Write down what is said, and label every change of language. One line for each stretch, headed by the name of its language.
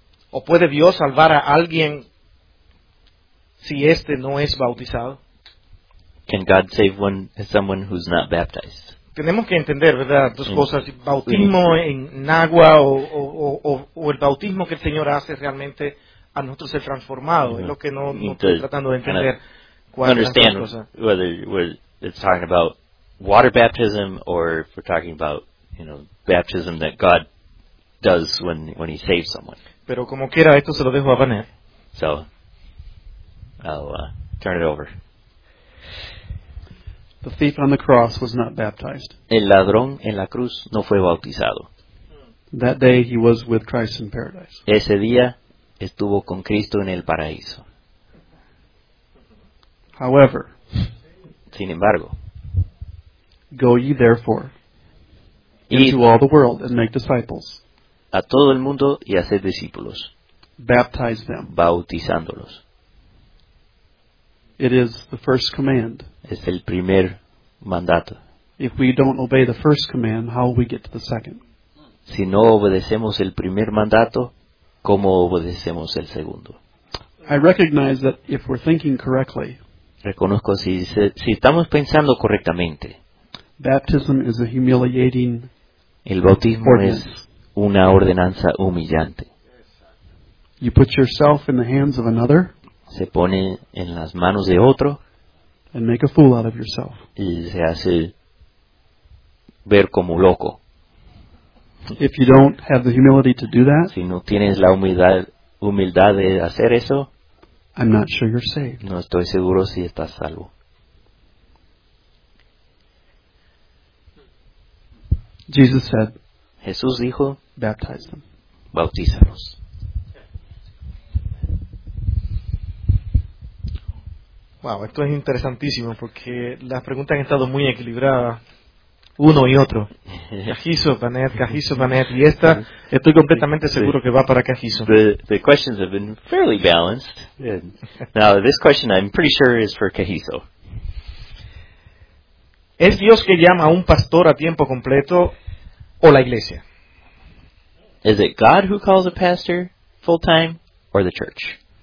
Spanish: ¿O puede Dios salvar a alguien si este no es bautizado?
English: Can God save someone who's not baptized?
Spanish: Tenemos que entender, ¿verdad? Dos cosas, bautismo en agua o el bautismo que el Señor hace realmente a nosotros ser transformado. Mm-hmm. Es lo que no estoy tratando de entender.
English: Understand whether it's talking about water baptism or if we're talking about, you know, baptism that God does when he saves someone.
Spanish: Pero como quiera, esto se lo dejo a Vanet.
English: So, I'll turn it over. The thief on the cross was not baptized.
Spanish: El ladrón en la cruz no fue bautizado.
English: That day he was with Christ in paradise.
Spanish: Ese día estuvo con Cristo en el paraíso.
English: However,
Spanish: sin embargo,
English: go ye therefore into all the world and make disciples.
Spanish: A todo el mundo y hacer discípulos.
English: Baptize them.
Spanish: Bautizándolos.
English: It is the first command.
Spanish: Es el primer mandato.
English: If we don't obey the first command, how will we get to the second?
Spanish: Si no obedecemos el primer mandato, ¿cómo obedecemos el segundo?
English: I recognize that if we're thinking correctly.
Spanish: Reconozco si estamos pensando correctamente.
English: Baptism is a humiliating.
Spanish: El bautismo es una ordenanza humillante.
English: You put yourself in the hands of another.
Spanish: Se pone en las manos de otro.
English: And make a fool out of yourself.
Spanish: Y se hace ver como loco.
English: If you don't have the humility to do that,
Spanish: si no tienes la humildad de hacer eso,
English: I'm not sure you're saved.
Spanish: No estoy seguro si estás salvo.
English: Jesus said,
Spanish: Jesús dijo,
English: baptize them.
Spanish: Bautízalos. Wow, esto es interesantísimo porque las preguntas han estado muy equilibradas, uno y otro. Cajizo, Vanet, y esta estoy completamente seguro que va para Cajizo.
English: The questions have been fairly balanced. Now, this question I'm pretty sure is for Cajizo.
Spanish: ¿Es Dios que llama a un pastor a tiempo completo o la iglesia?
English: Is it God who calls a pastor full-time or the church?